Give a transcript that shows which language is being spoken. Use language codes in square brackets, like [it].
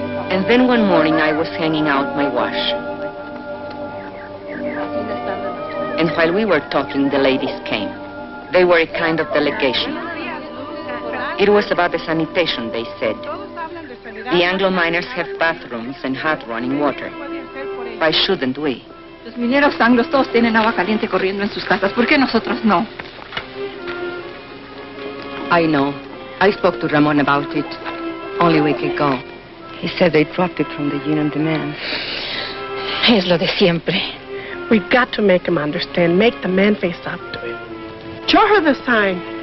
[en] And then one morning I was hanging out my wash. And while we were talking, the ladies came. They were a kind of delegation. It was about the sanitation, they said. The Anglo miners have bathrooms and hot running water. Why shouldn't we? [es] Los mineros anglos todos tienen agua caliente corriendo en sus casas. ¿Por qué nosotros no? [en] I know. I spoke to Ramon about it only a week ago. He said they dropped it from the union demand. [es] Es lo de siempre. [en] We've got to make him understand. Make the man face up to it. Show her the sign.